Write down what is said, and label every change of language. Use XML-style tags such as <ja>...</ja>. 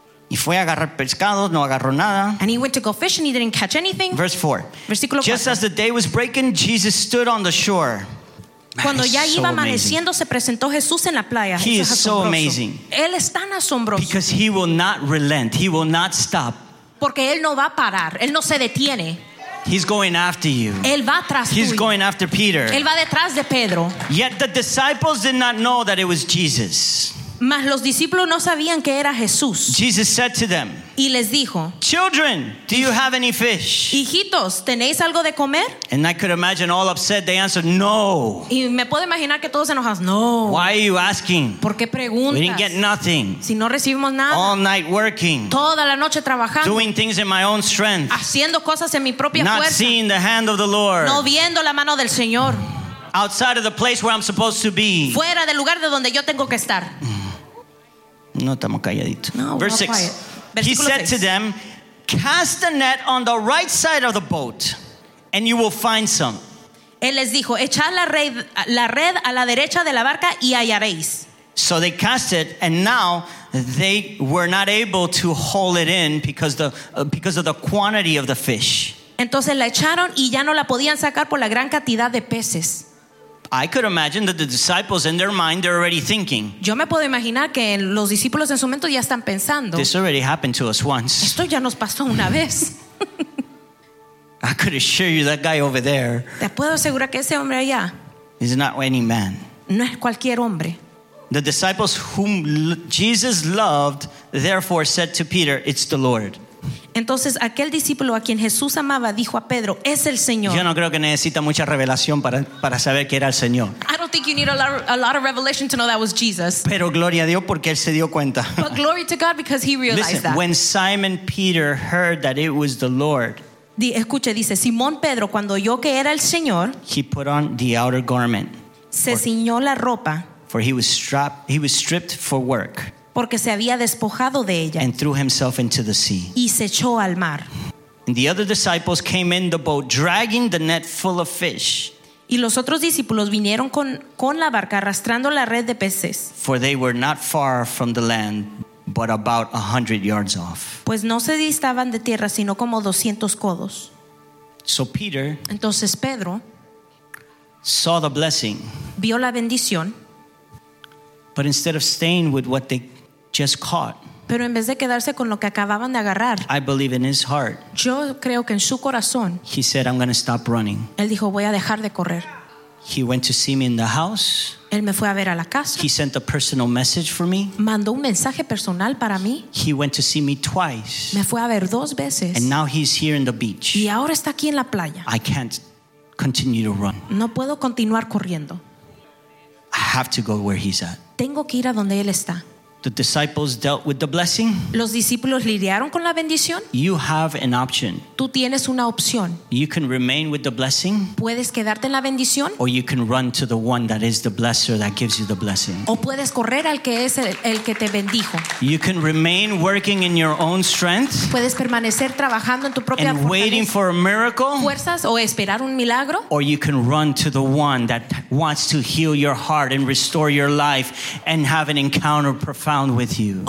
<es>Y fue a agarrar pescado, no agarró nada.</es> <en>And he went to go fish and he didn't catch anything. Verse 4.</en> <es>Versículo 4.</es> <en>Just as the day was breaking, Jesus stood on the shore.</en> <es>Cuando ya iba</es> <en>so</en> <es>amaneciendo, se presentó Jesús en la playa.</es> <en>He is so amazing.</en> <es>Él es tan asombroso.</es> <en>Because he will not relent. He will not stop.</en> <es>Porque él no va a parar. Él no se detiene.</es> <en>He's going after you.</en> <es>Él va tras</es> <en>He's</en> <es>tuyo.</es> <en>Going after Peter.</en> <es>Él va detrás de Pedro.</es> <en>Yet the disciples did not know that it was Jesus.</en> <es>Mas los discípulos no sabían que era Jesús.</es> <en>Jesus said to them,</en> <es>y les dijo,</es> <en>children, do you have any fish?</en> <es>Hijitos, ¿tenéis algo de comer?</es> <en>And I could imagine all upset, they answered, no.</en> <es>Y me puedo imaginar que todos enojados, no.</es> <en>Why are you asking?</en> <es>¿Por qué preguntas?</es> <en>We didn't get nothing.</en> <es>Si no recibimos nada.</es> <en>All night working.</en> <es>Toda la noche trabajando.</es> <en>Doing things in my own strength.</en> <es>Haciendo cosas en mi propia</es> <en>Not</en> <es>fuerza.</es> <en>Seeing the hand of the Lord.</en> <es>No viendo la mano del Señor.</es> <en>Outside of the place where I'm supposed to be.</en> <es>Fuera del lugar de donde yo tengo que estar. No estamos calladitos. No,</es> <en>Verse 6. He said to them, cast the net on the right side of the boat, and you will find some.</en> <es>Él les dijo, echad la red a la derecha de la barca y hallaréis.</es> <en>So they cast it, and now they were not able to haul it in because of the quantity of the fish.</en> <es>Entonces la echaron y ya no la podían sacar por la gran cantidad de peces.</es> <en>I could imagine that the disciples in their mind they're already thinking.</en> <es>Yo me puedo imaginar que los discípulos en su momento ya están pensando.</es> <en>This already happened to us once.</en> <es>Esto ya nos pasó una vez.</es> <en>I could assure you that guy over there.</en> <es>Te puedo asegurar que ese hombre allá.</es> <en>Is not any man.</en> <es>No es cualquier hombre.</es> <en>The disciples whom Jesus loved therefore said to Peter, "It's the Lord."</en> <es>Entonces aquel discípulo a quien Jesús amaba dijo a Pedro, es el Señor. Yo no creo que necesita mucha revelación para saber que era el Señor.</es> <en>I don't think you need a lot of revelation to know that was Jesus.</en> <es>Pero gloria a Dios porque él se dio cuenta.</es> <en>But glory to God because he realized Listen, that. When Simon Peter heard that it was the Lord.</en> <es>Escuche, dice, Simón Pedro cuando oyó que era el Señor.</es> <en>He put on the outer garment.</en> <es>Se ciñó la ropa.</es> <en>For he was stripped for work.</en> <es>Porque se había despojado de ella.</es> <en>And threw himself into the sea.</en> <es>Y se echó al mar.</es> <en>And the other disciples came in the boat, dragging the net full of fish.</en> <es>Y los otros discípulos vinieron con la barca arrastrando la red de peces.</es> <en>For they were not far from the land, but about 100 yards off.</en> <es>Pues no se distaban de tierra, sino como 200 codos.</es> <en>So Peter.</en> <es>Entonces Pedro.</es> <en>Saw the blessing.</en> <es>Vio la bendición.</es> <en>But instead of staying with what they just caught,</en> <es>pero en vez de quedarse con lo que acababan de agarrar,</es> <en>I believe in his heart,</en> <es>yo creo que en su corazón,</es> <en>he said, I'm going to stop running.</en> <es>Él dijo, voy a dejar de correr.</es> <en>He went to see me in the house.</en> <es>Él me fue a ver a la casa.</es> <en>He sent a personal message for me.</en> <es>Mandó un mensaje personal para mí.</es> <en>He went to see me twice.</en> <es>Me fue a ver dos veces.</es> <en>And now he's here in the beach.</en> <es>Y ahora está aquí en la playa.</es> <en>I can't continue to run.</en> <es>No puedo continuar corriendo.</es> <en>I have to go where he's at.</en> <es>Tengo que ir a donde él está.</es> <en>The disciples dealt with the blessing.</en> <es>Los discípulos lidiaron con la bendición.</es> <en>You have an option.</en> <es>Tú tienes una opción.</es> <en>You can remain with the blessing.</en> <es>Puedes quedarte en la bendición.</es> <en>Or you can run to the one that is the blesser that gives you the blessing.</en> <es>O puedes correr al que es el que te bendijo.</es> <en>You can remain working in your own strength.</en> <es>Puedes permanecer trabajando en tu propia fuerza.</es> <en>And waiting for a miracle.</en> <es>Fuerzas o esperar un milagro.</es> <en>Or you can run to the one that wants to heal your heart and restore your life and have an encounter profound with you.</en>